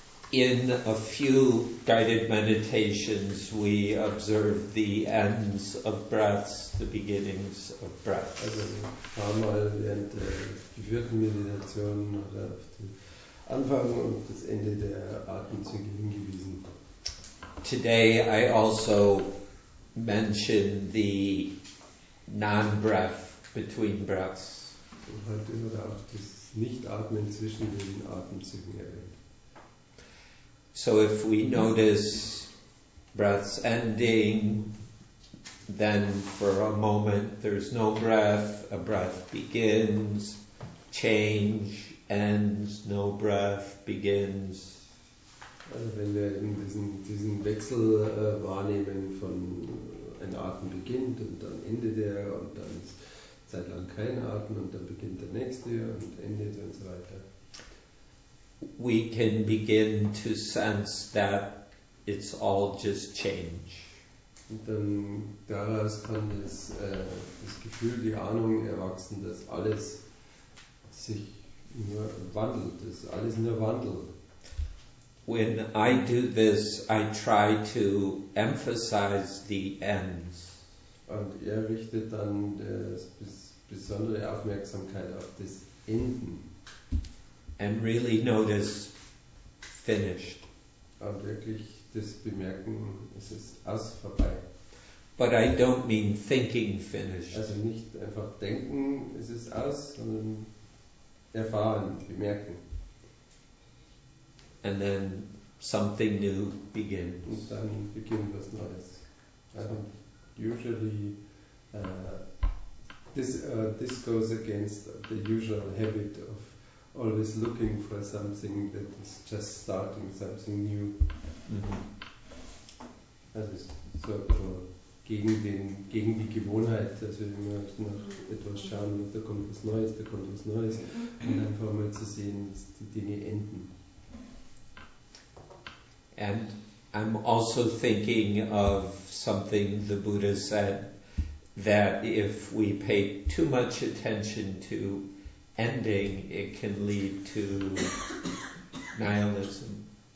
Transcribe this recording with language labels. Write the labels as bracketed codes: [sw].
[en] In a few guided meditations, we observe the ends of breaths, the beginnings of breaths. [de] Also ein paar Mal während der geführten Meditation oder auf den Anfang und das Ende der Atemzüge hingewiesen. [en] Today I also mention the non-breath between breaths. [de] Und heute wurde auch das Nicht-Atmen zwischen den Atemzügen erwähnt. [en] So if we notice breaths ending, then for a moment there's no breath, a breath begins, change, ends, no breath, begins. [de] Also wenn wir eben diesen Wechsel wahrnehmen von ein Atem beginnt und dann endet er und dann ist zeitlang kein Atem und dann beginnt der nächste und endet und so weiter. [en] We can begin to sense that it's all just change. [de] Und dann daraus kann das Gefühl, die Ahnung erwachsen, dass alles sich nur wandelt, dass alles nur wandelt. [en] When I do this, I try to emphasize the ends. [de] Und er richtet dann besondere Aufmerksamkeit auf das Enden. [en] And really notice finished. [de] Und wirklich das Bemerken, es ist aus, vorbei. [en] But I don't mean thinking finished. [de] Also nicht einfach denken, es ist aus, sondern erfahren, bemerken. [en] And then something new begins. [de] Und dann beginnt was Neues. [en] Usually, this goes against the usual habit of always looking for something that is just starting, something new. Mm-hmm. [de] Also so gegen die Gewohnheit, dass wir immer nach etwas schauen, und da kommt was Neues, um einfach mal zu sehen, dass die Dinge enden. [en] And I'm also thinking of something the Buddha said, that if we pay too much attention to ending, it can lead to nihilism.